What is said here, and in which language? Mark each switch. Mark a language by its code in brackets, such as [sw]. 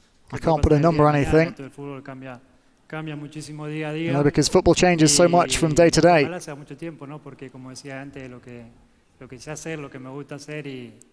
[en] I can't put a number on anything. [es] El fútbol cambia muchísimo día a día. [en] No, because football changes so much from day to day. [es] Hace mucho tiempo, ¿no? Porque como decía antes, lo que sé hacer, lo que me gusta hacer y